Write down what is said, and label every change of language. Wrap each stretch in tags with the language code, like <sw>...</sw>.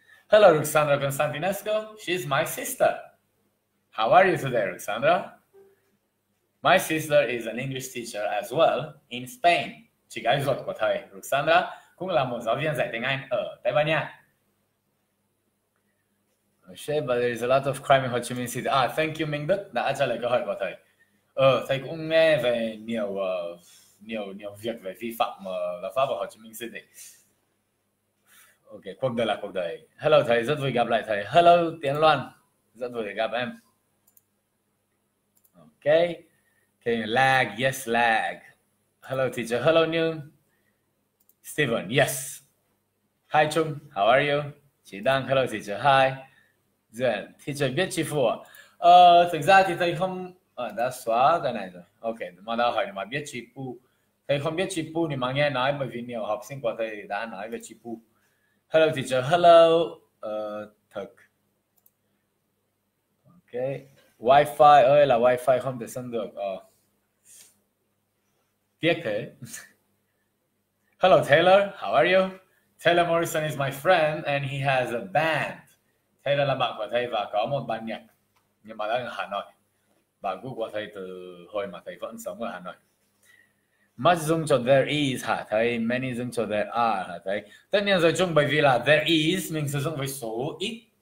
<en>Hello, Ruxandra Constantinescu. She's my sister. How are you today, Ruxandra? My sister is an English teacher as well in Spain.</en> <vi>Chị gái ruột của thầy, Ruxandra, cũng là một giáo viên dạy tiếng Anh ở Tây Ban Nha.</vi> <en>Okay, but there is a lot of crime in Ho Chi Minh City.</en> <vi>Ah, thank you, Minh Đức, đã trả lời câu hỏi của thầy. Thầy cũng nghe về nhiều việc về vi phạm luật pháp ở Ho Chi Minh City. Ok, cuộc đời là cuộc đời. Hello thầy, rất vui gặp lại thầy. Hello Tiến Loan, rất vui gặp em.</vi> <en>Ok, can you lag? Yes, lag. Hello teacher, hello New. Steven, yes. Hi Trung, how are you? Chị Đăng, hello teacher, hi.</en> <vi>Duyên, teacher biết chị Phu à? Thực ra thì thầy không... đã xóa cái này rồi. Ok, mà đã hỏi mà biết chị Phu. Thầy không biết chị Phu thì mà nghe nói bởi vì nhiều học sinh của thầy đã nói về chị Phu.</vi> <en>Hello teacher, hello thực.</en> <vi>Ok, Wi-Fi ơi là Wi-Fi không thể xem được.</vi> <en>Tiếc thế. Hello Taylor, how are you? Taylor Morrison is my friend and he has a band.</en> <vi>Taylor là bạn của thầy và có một ban nhạc, nhưng mà đang ở Hà Nội. Bạn cũ của thầy từ hồi mà thầy vẫn sống ở Hà Nội. Much dung cho there is hả thầy? Many dung cho there are hả thầy? Tất nhiên rồi chung bởi vì là there is mình sử dụng với số ít.</vi>